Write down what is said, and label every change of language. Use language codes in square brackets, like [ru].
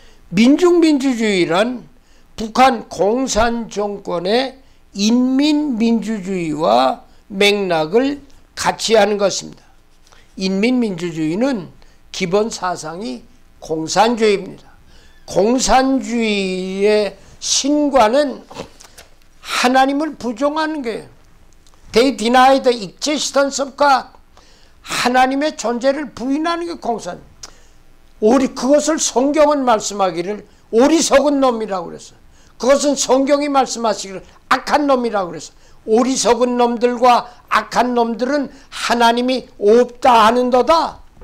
[ko] 민중민주주의란 북한 공산정권의 인민민주주의와 맥락을 같이 하는 것입니다. 인민민주주의는 기본 사상이 공산주의입니다. 공산주의의 신과는 하나님을 부정하는 거예요. [en] They deny the existence of God. [ko] 하나님의 존재를 부인하는 게 공산. 우리 그것을 성경은 말씀하기를 어리석은 놈이라고 그랬어. 그것은 성경이 말씀하시기를 악한 놈이라고 그랬어. 어리석은 놈들과 악한 놈들은 하나님이 없다 하는 도다.